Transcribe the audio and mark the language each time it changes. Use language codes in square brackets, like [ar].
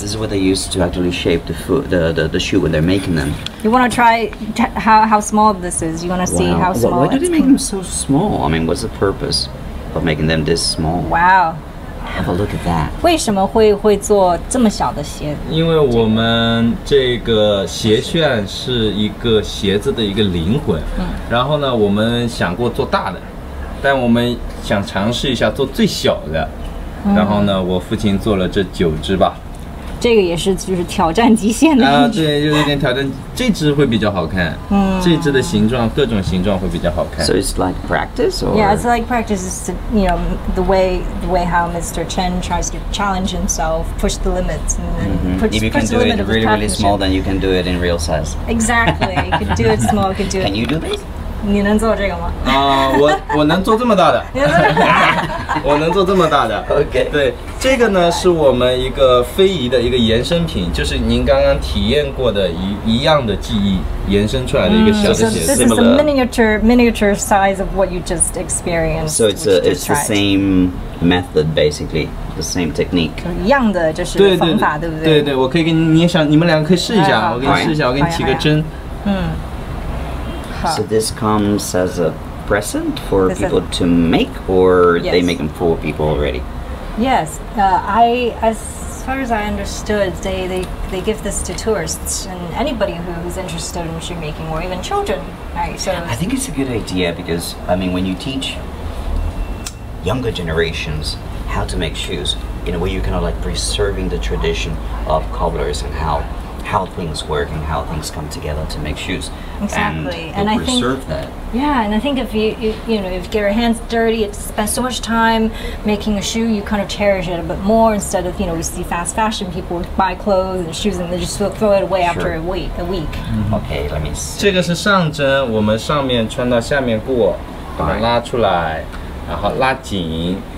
[en] This is what they use to actually shape the foot, the shoe when they're making them. You want to try how small this is? You want to see how small? Why do they make them so small? I mean, what's the purpose of making them this small? Wow. Have a look at that. [zh] 为什么会做这么小的鞋？因为我们这个鞋楦是一个鞋子的一个灵魂。然后呢，我们想过做大的，但我们想尝试一下做最小的。然后呢，我父亲做了这9只吧，这个也是就是挑战极限的啊，对，就有点挑战。这只会比较好看，这只的形状，各种形状会比较好看。 [en] So it's like practice, or yeah, it's like practice. It's, you know, the way how Mr. Chen tries to challenge himself, push the limits, and then if you can do it really, really small, then you can do it in real size. Exactly, you can do it small, you can do it. Can you do this? [zh] 你能做这个吗？我能做这么大的，我能做这么大的。 [en] OK， [zh] 对，这个呢是我们一个非遗的一个延伸品，就是您刚刚体验过的一样的记忆延伸出来的一个小的鞋。 [en] This is a miniature size of what you just experienced. So it's the same method, basically the same technique. [zh] 一样的就是方法，对不对？对对，我可以给你想，你们两个可以试一下，我给你试一下，我给你起个针。 [en] So this comes as a present for people to make, or they make them for people already? Yes, as far as I understood, they give this to tourists and anybody who's interested in shoemaking, or even children. Right, so I think it's a good idea because, I mean, when you teach younger generations how to make shoes, in a way you're kind of like preserving the tradition of cobblers and how things work and how things come together to make shoes. Exactly. And I think, that. Yeah, and I think if you get your hands dirty, you spend so much time making a shoe, you kind of cherish it a bit more instead of, you know, we see fast fashion people buy clothes and shoes and they just throw it away after a week. Okay, let me see. [zh] 这个是上针，我们上面穿到下面过，把它拉出来，然后拉紧。